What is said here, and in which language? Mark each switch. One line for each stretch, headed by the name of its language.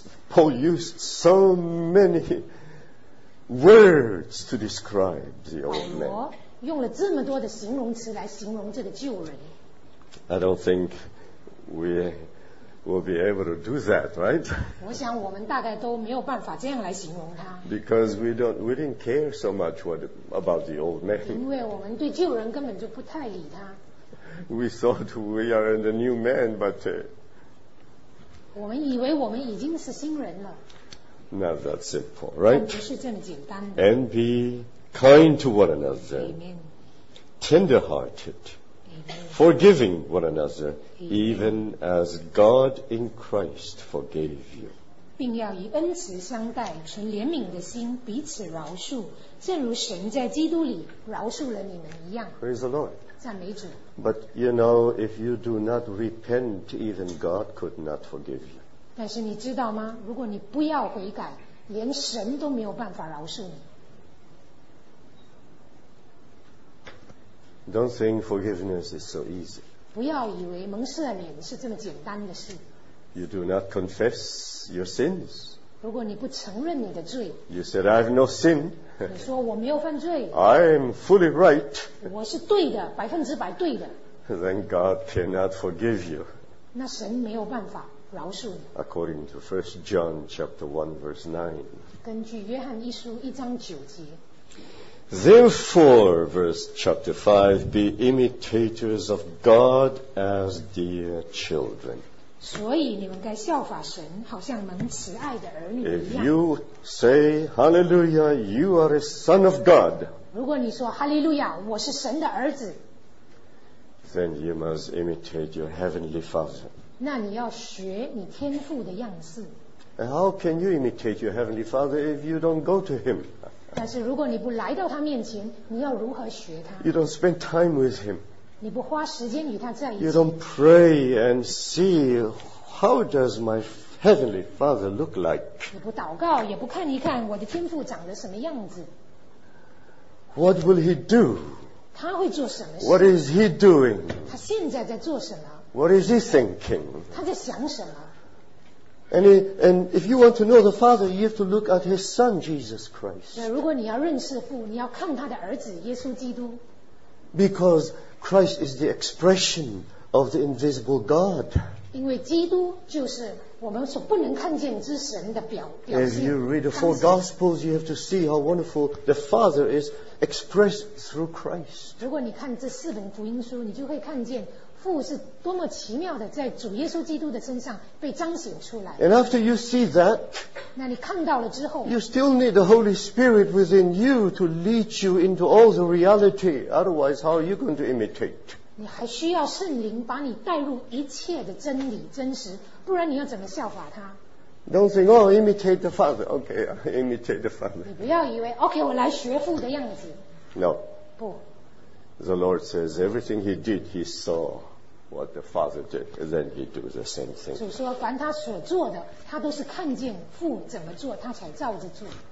English: Paul used so many words to describe the old man.
Chinese: 保罗用了这么多的形容词来形容这个旧人。
English: I don't think we will be able to do that, right?
Chinese: 我想我们大概都没有办法这样来形容他。
English: Because we didn't care so much about the old man.
Chinese: 因为我们对旧人根本就不太理他。
English: We thought we are in the new man, but
Chinese: 我们以为我们已经是新人了。
English: Not that simple, right?
Chinese: 不是这么简单的。
English: And be kind to one another. Amen. Tender-hearted. Forgiving one another, even as God in Christ forgave you.
Chinese: 并要以恩慈相待，存怜悯的心，彼此饶恕，正如神在基督里饶恕了你们一样。
English: Praise the Lord.
Chinese: 赞美主。
English: But you know, if you do not repent, even God could not forgive you.
Chinese: 但是你知道吗？如果你不要悔改，连神都没有办法饶恕你。
English: Don't think forgiveness is so easy.
Chinese: 不要以为蒙赦免是这么简单的事。
English: You do not confess your sins.
Chinese: 如果你不承认你的罪。
English: You said, I have no sin.
Chinese: 你说我没有犯罪。
English: I am fully right.
Chinese: 我是对的，百分之百对的。
English: Then God cannot forgive you.
Chinese: 那神没有办法饶恕你。
English: According to 1 John chapter 1 verse 9.
Chinese: 根据约翰一书一章九节。
English: Therefore, verse chapter 5, be imitators of God as dear children.
Chinese: 所以你们该效法神，好像蒙慈爱的儿女一样。
English: If you say hallelujah, you are a son of God.
Chinese: 如果你说 hallelujah, 我是神的儿子。
English: Then you must imitate your heavenly father.
Chinese: 那你要学你天父的样式。
English: How can you imitate your heavenly father if you don't go to him?
Chinese: 但是如果你不来到他面前，你要如何学他？
English: You don't spend time with him.
Chinese: 你不花时间与他在一起。
English: You don't pray and see how does my heavenly father look like.
Chinese: 你不祷告，也不看一看我的天父长得什么样子。
English: What will he do?
Chinese: 他会做什么事？
English: What is he doing?
Chinese: 他现在在做什么？
English: What is he thinking?
Chinese: 他在想什么？
English: And if you want to know the Father, you have to look at His Son, Jesus Christ.
Chinese: 如果你要认识父，你要看他的儿子耶稣基督。
English: Because Christ is the expression of the invisible God.
Chinese: 因为基督就是我们所不能看见之神的表现。
English: If you read the four Gospels, you have to see how wonderful the Father is expressed through Christ.
Chinese: 如果你看这四本福音书，你就会看见。父是多么奇妙的，在主耶稣基督的身上被彰显出来。
English: And after you see that,
Chinese: 那你看到了之后，
English: you still need the Holy Spirit within you to lead you into all the reality. Otherwise, how are you going to imitate?
Chinese: 你还需要圣灵把你带入一切的真理真实，不然你要怎么效法他？
English: Don't think, oh, imitate the Father. Okay, imitate the Father.
Chinese: 你不要以为 ，OK， 我来学父的样子。
English: No.
Chinese: 不。
English: The Lord says, everything he did, he saw what the Father did, and then he do the same thing.
Chinese: 主说，凡他所做的，他都是看见父怎么做，他才照着做。